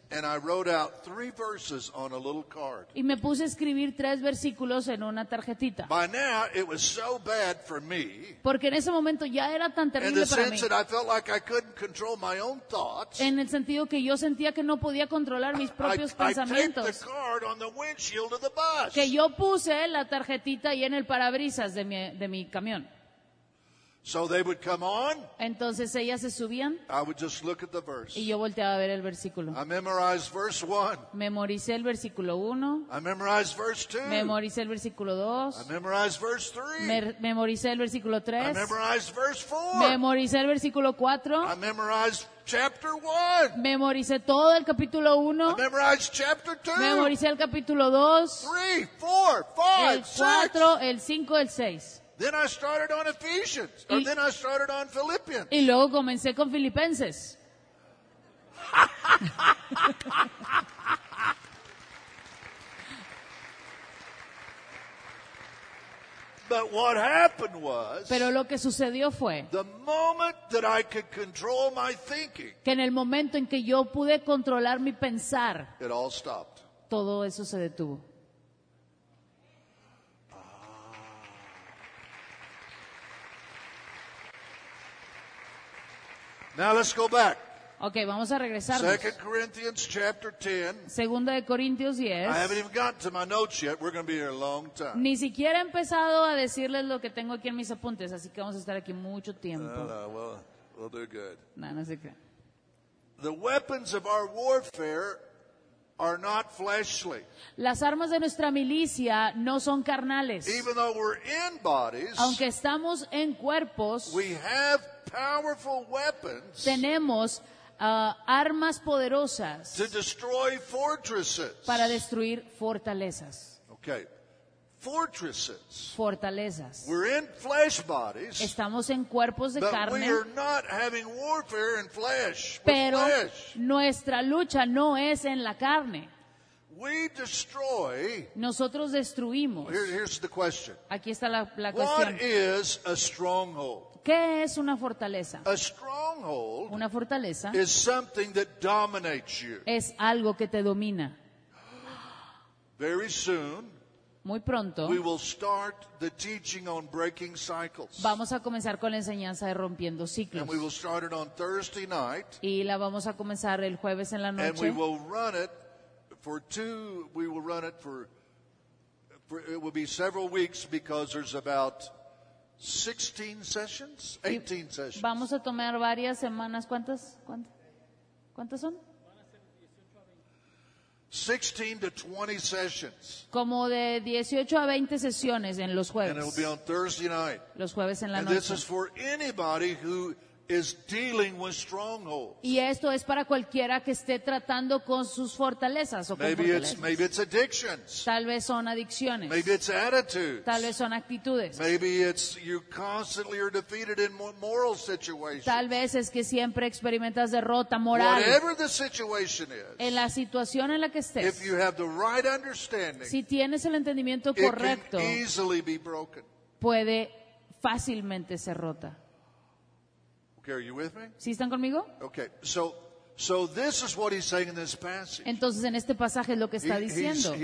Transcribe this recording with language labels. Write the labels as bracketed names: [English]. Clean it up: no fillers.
[English] And I wrote out three verses on a little card. [Spanish] Y me puse a escribir tres versículos en una tarjetita. [English] By now, it was so bad for me. [Spanish] Porque en ese momento ya era tan terrible para mí. [English] In the sense that I felt like I couldn't control my own thoughts. [Spanish] En el sentido que yo sentía que no podía controlar mis propios pensamientos. [English] I taped the card on the windshield of the bus. [Spanish] Que yo puse la tarjetita y en el parabrisas de mi camión. [English] So they would come on. [Spanish] Entonces ellas se subían. [English] I would just look at the verse. [Spanish] Y yo volteaba a ver el versículo. [English] I memorized verse 1. [Spanish] Memoricé el versículo 1. [English] I memorized verse 2. [Spanish] Memoricé el versículo 2. [English] I memorized verse 3. [Spanish] Memoricé el versículo 3. [English] I memorized verse 4. [Spanish] Memoricé el versículo 4. [English] I memorized chapter 1. [Spanish] Memoricé todo el capítulo 1. [English] I memorized chapter 2. [Spanish] Memoricé el capítulo 2. [English] 3, 4, 5, 6. [Spanish] El 4, el 5, el 6. [English] Then I started on Ephesians, or then I started on Philippians. [Spanish] Y luego comencé con Filipenses. [English] But what happened was, [Spanish] pero lo que sucedió fue, [English] the moment that I could control my thinking, [Spanish] que en el momento en que yo pude controlar mi pensar, [English] it all stopped. [Spanish] Todo eso se detuvo. [English] Now let's go back. [Spanish] Okay, vamos a regresarnos. [English] 2 Corinthians chapter 10. [Spanish] Segunda de Corintios 10. [English] I haven't even gotten to my notes yet. We're going to be here a long time. [Spanish] Ni siquiera he empezado a decirles lo que tengo aquí en mis apuntes, así que vamos a estar aquí mucho tiempo. [English] Well, they're good. [Spanish] No se crean. [English] The weapons of our warfare are not fleshly. [Spanish] Las armas de nuestra milicia no son carnales. [English] Even though we're in bodies, [Spanish] aunque estamos en cuerpos, [English] we have powerful weapons. [Spanish] Tenemos armas poderosas [English] to destroy fortresses. [Spanish] Para destruir fortalezas. [English] Okay. Fortresses. [Spanish] Fortalezas. [English] We're in flesh bodies. [Spanish] Estamos en cuerpos de carne. [English] But we are not having warfare in flesh. [Spanish] Pero [English] flesh. [Spanish] Nuestra lucha no es en la carne. [English] We destroy. [Spanish] Nosotros destruimos. [English] Here's the question. [Spanish] Aquí está la [English] what [Spanish] cuestión. [English] What is a stronghold? [Spanish] ¿Qué es una fortaleza? [English] A stronghold. [Spanish] Una fortaleza. [English] Is something that dominates you. [Spanish] Es algo que te domina. [English] Very soon. [Spanish] Muy pronto. [English] We will start the teaching on breaking cycles. [Spanish] Vamos a comenzar con la enseñanza de rompiendo ciclos. [English] And we will start it on Thursday night. [Spanish] Y la vamos a comenzar el jueves en la noche. [English] And we will run it for two. We will run it for it will be several weeks because there's about 16 sessions, 18 sessions. [Spanish] Vamos a tomar varias semanas. ¿Cuántas son? [English] 16 to 20 sessions. [Spanish] Como de 18 a 20 sesiones en los jueves. [English] And it will be on Thursday night. [Spanish] Los jueves en la noche. [English] And this is for anybody who is dealing with strongholds. [Spanish] Y esto es para cualquiera que esté tratando con sus fortalezas o con [English] maybe [Spanish] fortalezas. [English] Maybe it's addictions. [Spanish] Tal vez son adicciones. [English] Maybe it's attitudes. [Spanish] Tal vez son actitudes. [English] Maybe it's you constantly are defeated in moral situations. [Spanish] Tal vez es que siempre experimentas derrota moral. [English] Whatever the situation is. [Spanish] En la situación en la que estés. [English] If you have the right understanding. [Spanish] Si tienes el entendimiento correcto. [English] It can easily be broken. [Spanish] Puede fácilmente ser rota. [English] Okay, are you with me? [Spanish] ¿Sí están conmigo? [English] Okay, so this is what he's saying in this passage. [Spanish] Entonces, en este pasaje es lo que está diciendo.